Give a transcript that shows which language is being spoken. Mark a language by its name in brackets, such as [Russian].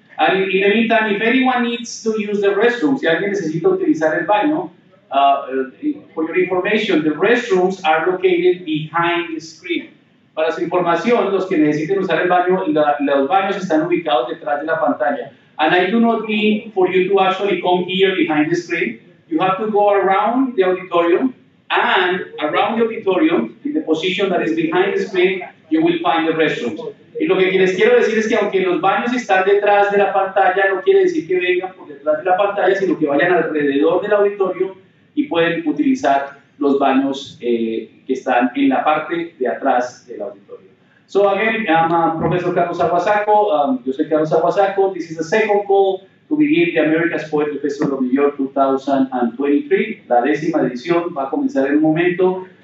[English] And in the meantime, if anyone needs to use the restroom, si alguien necesita utilizar el baño, for your information, the restrooms are located behind the screen. [Spanish] Para su información, los que necesiten usar el baño, los baños están ubicados detrás de la pantalla. [English] And I do not mean for you to actually come here behind the screen. You have to go around the auditorium, and around the auditorium, in the position that is behind the screen, you will find the restrooms. [Spanish] Y lo que les quiero decir es que aunque los baños están detrás de la pantalla, no quiere decir que vengan por detrás de la pantalla, sino que vayan alrededor del auditorio y pueden utilizar los baños que están en la parte de atrás del auditorio. [English] So again, I'm Professor Carlos Aguasaco. Yo soy Carlos Aguasaco. This is the second call to begin the America's Poetry Festival of New York 2023. [Spanish] La décima edición va a comenzar en un momento.